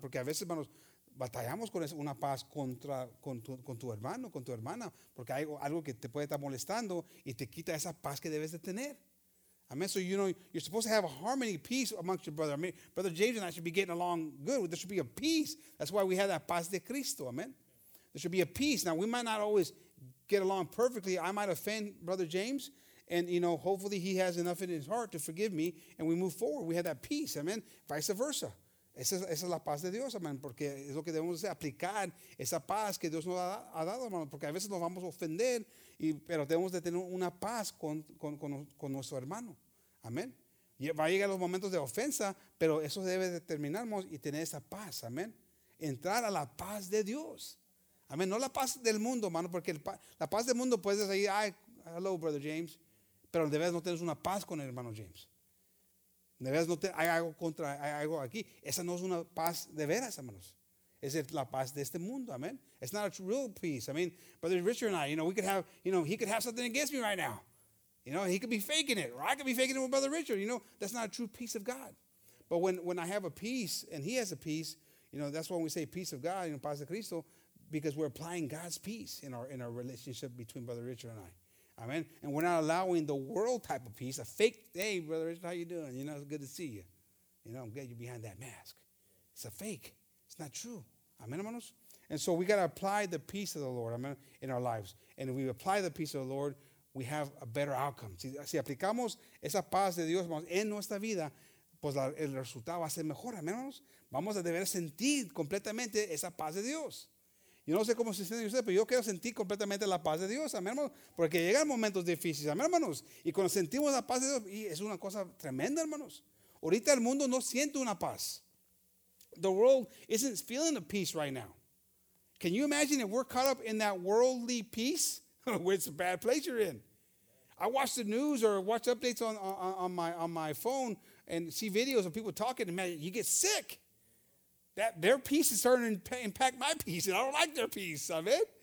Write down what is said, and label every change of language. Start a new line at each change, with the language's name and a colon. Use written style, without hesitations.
Spanish: Porque a veces, hermanos, batallamos con una paz con tu hermano, con tu hermana, porque hay algo que te puede estar molestando y te quita esa paz que debes de tener.
English: Amen. So, you know, you're supposed to have a harmony, peace amongst your brother. I mean, Brother James and I should be getting along good. There should be a peace. That's why we have that
Spanish: paz de Cristo.
English: Amen. There should be a peace. Now, we might not always get along perfectly. I might offend Brother James. And, you know, hopefully he has enough in his heart to forgive me. And we move forward. We have that peace. Amen. Vice versa.
Spanish: Esa es la paz de Dios, amén, porque es lo que debemos hacer, aplicar esa paz que Dios nos ha dado, hermano, porque a veces nos vamos a ofender, pero debemos de tener una paz con nuestro hermano, amén. Va a llegar los momentos de ofensa, pero eso debe de terminar, hermano, y tener esa paz, amén. Entrar a la paz de Dios, amén, no la paz del mundo, hermano, porque la paz del mundo puedes decir, ay,
English: Hello, Brother James.
Spanish: Pero de vez no tienes una paz con el hermano James. De vez no te, hay algo contra, hay algo aquí. Esa no es una paz de veras, hermanos. Es la paz de este mundo, amen.
English: It's not a real peace. I mean, Brother Richard and I, you know, we could have, you know, he could have something against me right now. You know, he could be faking it, or I could be faking it with Brother Richard. You know, that's not a true peace of God. But when I have a peace and he has a peace, you know, that's why we say peace of God, you know,
Spanish: paz de Cristo,
English: because we're applying God's peace in our relationship between Brother Richard and I. Amen. And we're not allowing the world type of peace, a fake, hey, Brother Richard, how you doing? You know, it's good to see you. You know, I'm glad you're behind that mask. It's a fake. It's not true. Amen, hermanos? And so we got to apply the peace of the Lord, amen, in our lives. And if we apply the peace of the Lord, we have a better outcome.
Spanish: Si aplicamos esa paz de Dios, hermanos, en nuestra vida, pues el resultado va a ser mejor, amen, hermanos. Vamos a deber sentir completamente esa paz de Dios. Yo no sé cómo se siente usted, pero yo quiero sentir completamente la paz de Dios, amén, hermanos. Porque llegan momentos difíciles, amén, hermanos. Y cuando sentimos la paz de Dios, y es una cosa tremenda, hermanos. Ahorita el mundo no siente una paz.
English: The world isn't feeling a peace right now. Can you imagine if we're caught up in that worldly peace? It's a bad place you're in. I watch the news or watch updates on my phone and see videos of people talking. Imagine, you get sick. That their peace is starting to impact my peace, and I don't like their peace, amen?